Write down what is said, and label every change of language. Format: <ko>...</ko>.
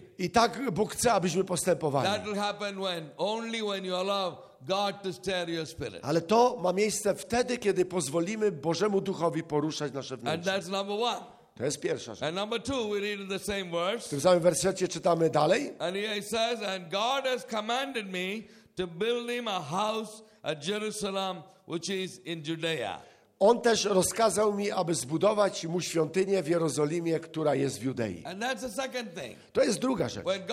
<pl>I tak Bóg chce, abyśmy postępowali.</pl> <en>That will happen when, only when you allow God to stir your spirit.</en> <pl>Ale to ma miejsce wtedy, kiedy pozwolimy Bożemu Duchowi poruszać nasze wnętrze.</pl> <en>And that's number one.</en> <pl>To jest pierwsza rzecz.</pl> <en>And number two, we read in the same verse.</en> <pl>W tym samym wersecie czytamy dalej.</pl> <en>And he says, and God has commanded me to build him a house at Jerusalem, which is in Judea.</en> <pl>On też rozkazał mi, aby zbudować mu świątynię w Jerozolimie, która jest w Judei. To jest druga rzecz.</pl>